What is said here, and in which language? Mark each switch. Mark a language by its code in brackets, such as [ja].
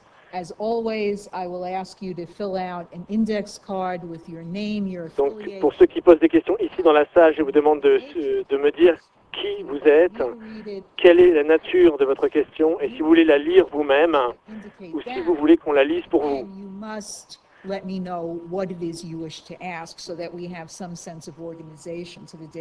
[en] As always, I will ask you to fill out an index card with your name, your affiliation. [fr] Donc, pour ceux qui posent des questions ici dans la salle, je vous demande de me dire qui vous êtes, quelle est la nature de votre question, et si vous voulez la lire vous-même, ou si vous voulez qu'on la lise pour vous. [en] You must let me know what it is you wish to ask, so that we have some sense of organization to the day.